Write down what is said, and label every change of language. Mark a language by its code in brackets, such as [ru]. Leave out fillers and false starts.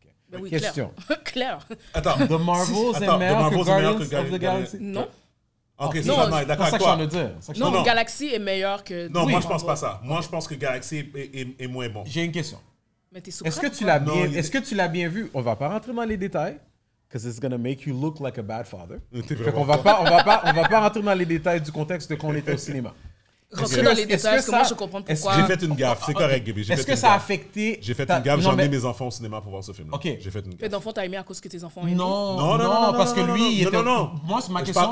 [fr] Ben oui, question. Claire. Attends, The Marvels est meilleur que Guardians of the Galaxy. Non. Ok, c'est non, ça, d'accord. C'est ça que je veux dire. Non, non, Galaxy est meilleur que. Non, oui, moi je pense pas ça. Moi je pense que Galaxy est moins bon. J'ai une question. Mais t'es est-ce que tu l'as bien, non, est-ce que tu l'as bien vu? On va pas rentrer dans les détails. [en] Because it's going to make you look like a bad father. [fr] Fait qu'on va pas, on va pas rentrer dans les détails du contexte de quand on était au cinéma. Rentrer dans les détails, parce que moi, je comprends pourquoi. J'ai fait une gaffe, c'est correct, Gaby. Est-ce que ça a affecté... J'ai fait une gaffe, j'ai emmené mes enfants au cinéma pour voir ce film-là. OK. J'ai fait une gaffe. Fait d'enfants, t'as aimé à cause que tes enfants aiment. Non, parce que lui, il était... Non. Moi, c'est ma question...